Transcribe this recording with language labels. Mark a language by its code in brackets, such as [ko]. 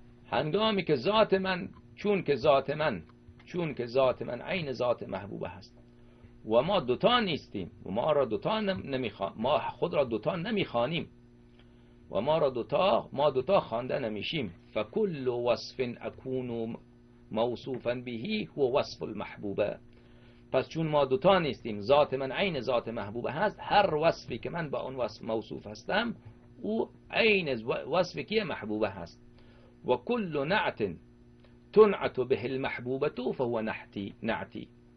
[fa] هنگامی که ذات من، چون که ذات من، چون که ذات من عین ذات محبوبه هست و ما دوتا نیستیم و ما را دوتا نمیخوانیم، ما خود را دوتا نمیخوانیم و ما را دوتا، ما دوتا خوانده نمیشیم. [ar] فکل وصف اکون موصوفا به هو وصف المحبوبه. [fa] پس چون ما دوتا نیستیم، ذات من عین ذات محبوبه هست، هر وصفی که من با اون وصف موصوف هستم او عین وصفی که محبوبه هست. [ar] و کل نعت تنعت به المحبوبه فهو نعتی، نعتی.